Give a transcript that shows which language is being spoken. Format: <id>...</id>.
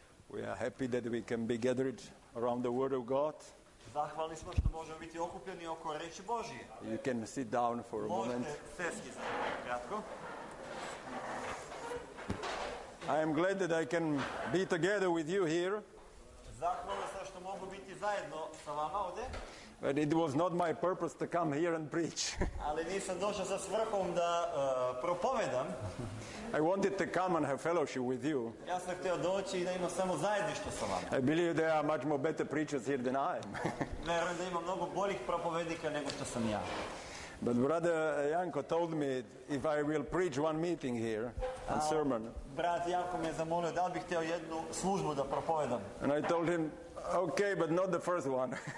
<en>We are happy that we can be gathered around the Word of God.</en> <sr>Zahvalni smo što možemo biti okupljeni oko reči Božije.</sr> <en>You can sit down for a moment.</en> <sr>Možete sesti za kratko.</sr> <en>I am glad that I can be together with you here.</en> <sr>Zahvalan sam što mogu biti zajedno sa vama ovde.</sr> <en>But it was not my purpose to come here and preach.</en> <sr>Ali nisam došao sa svrhom da propovedam.</sr> <en>I wanted to come and have fellowship with you.</en> <sr>Ja sam hteo doći i da imam samo zajedništvo sa vama.</sr> <en>I believe there are much more better preachers here than I am.</en> <sr>Verujem da ima mnogo boljih propovednika nego što sam ja.</sr> <en>But brother Janko told me if I will preach one meeting here and sermon.</en> <sr>Brat Janko me zamolio da bih hteo jednu službu da propovedam.</sr> <en>And I told him, okay, but not the first one.</en>